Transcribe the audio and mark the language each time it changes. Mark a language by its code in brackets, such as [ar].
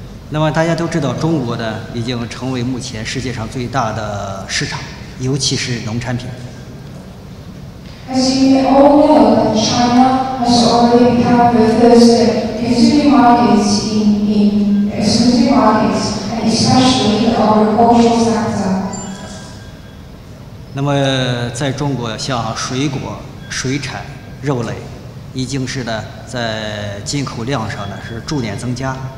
[zh] 那么大家都知道，中国呢已经成为目前世界上最大的市场，尤其是农产品。 [en] As you may all know, China has already become the first consumer market in exclusive markets, and especially in our agricultural sector. [zh] 那么在中国，像水果、水产、肉类已经是呢在进口量上呢是逐年增加。